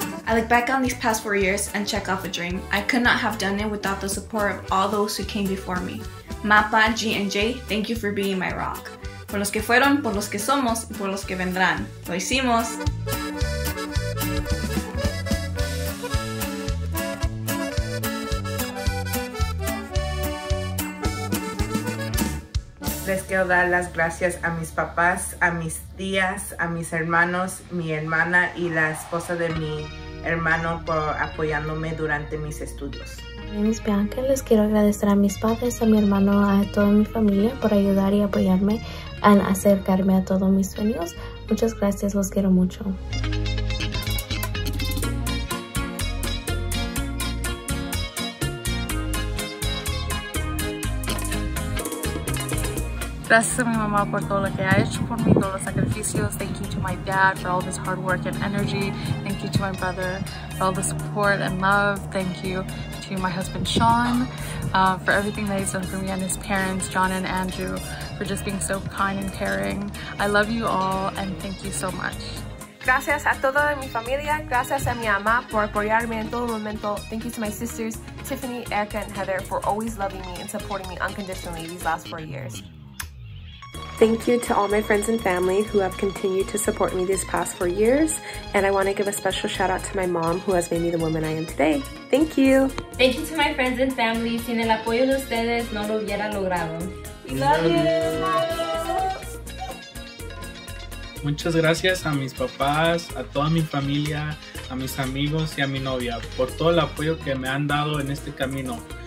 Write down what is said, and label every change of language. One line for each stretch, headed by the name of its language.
English: I look back on these past 4 years and check off a dream. I could not have done it without the support of all those who came before me. Mapa, G, and J, thank you for being my rock.
Spanish: Por los que fueron, por los que somos, y por los que vendrán. ¡Lo hicimos! Les quiero dar las gracias a mis papás, a mis tías, a mis hermanos, mi hermana y la esposa de mi hermano por apoyándome durante mis estudios. Mi nombre es Bianca. Les quiero agradecer a mis padres, a mi hermano, a toda mi familia por ayudar y apoyarme en acercarme a todos mis sueños. Muchas gracias, los quiero mucho. Gracias a mi mamá por todo lo que ha hecho por mí, todos los sacrificios.
English: Thank you to my dad for all his hard work and energy. Thank you to my brother for all the support and love. Thank you to my husband Sean for everything that he's done for me, and his parents John and Andrew for just being so kind and caring. I love you all and thank you so much.
Spanish: Gracias a toda mi familia, gracias a mi mamá por apoyarme en todo momento.
English: Thank you to my sisters Tiffany, Erica, and Heather for always loving me and supporting me unconditionally these last 4 years. Thank you to all my friends and family who have continued to support me these past 4 years. And I want to give a special shout out to my mom who has made me the woman I am today. Thank you. Thank you to my friends and family.
Spanish: Sin el apoyo de ustedes, no lo hubiera logrado.
English: We love you.
Spanish: Muchas gracias a mis papás, a toda mi familia, a mis amigos y a mi novia por todo el apoyo que me han dado en este camino.